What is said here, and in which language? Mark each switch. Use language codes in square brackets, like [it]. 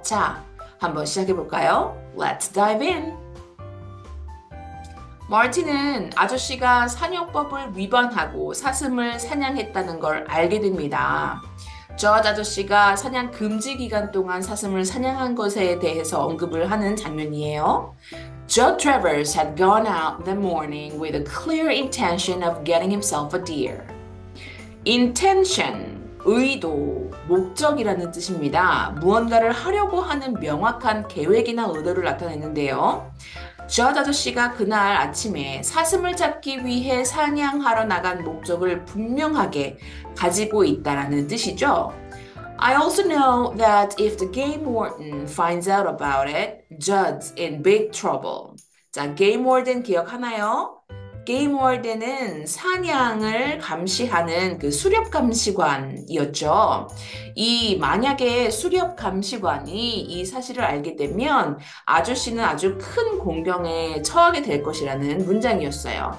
[ko] 자, 한번 시작해 볼까요? [en] Let's dive in. [ko] 마티는 아저씨가 사냥법을 위반하고 사슴을 사냥했다는 걸 알게 됩니다. 저 아저씨가 사냥 금지 기간 동안 사슴을 사냥한 것에 대해서 언급을 하는 장면이에요. [en] Joe Travers had gone out the morning with a clear intention of getting himself a deer. Intention. [ko] 의도, 목적이라는 뜻입니다. 무언가를 하려고 하는 명확한 계획이나 의도를 나타내는데요. 저 아저씨가 그날 아침에 사슴을 잡기 위해 사냥하러 나간 목적을 분명하게 가지고 있다라는 뜻이죠. [en] I also know that if the game warden finds out about it, Judd's in big trouble. [ko] 자, 게임 워든 기억하나요? 게임 월드는 사냥을 감시하는 그 수렵 감시관이었죠. 이 만약에 수렵 감시관이 이 사실을 알게 되면 아저씨는 아주 큰 공경에 처하게 될 것이라는 문장이었어요.